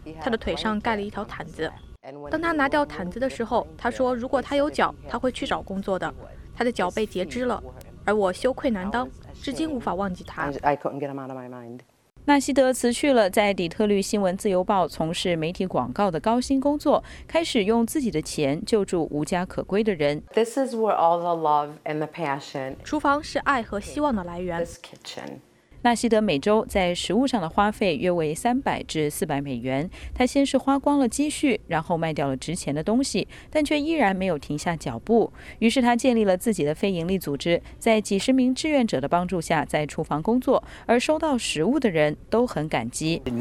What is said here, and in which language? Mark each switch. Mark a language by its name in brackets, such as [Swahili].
[Chinese] 他的腿上盖了一条毯子，当他拿掉毯子的时候，他说如果他有脚，他会去找工作的。他的脚被截肢了，而我羞愧难当，至今无法忘记他。纳西德辞去了在底特律新闻自由报从事媒体广告的高薪工作，开始用自己的钱救助无家可归的人。 [English] This is where all the love and the passion. [Chinese] 厨房是爱和希望的来源。 [English] This kitchen. [Chinese] 纳希德每周在食物上的花费约为300至400美元。他先是花光了积蓄，然后卖掉了值钱的东西，但却依然没有停下脚步。于是他建立了自己的非营利组织，在几十名志愿者的帮助下在厨房工作，而收到食物的人都很感激。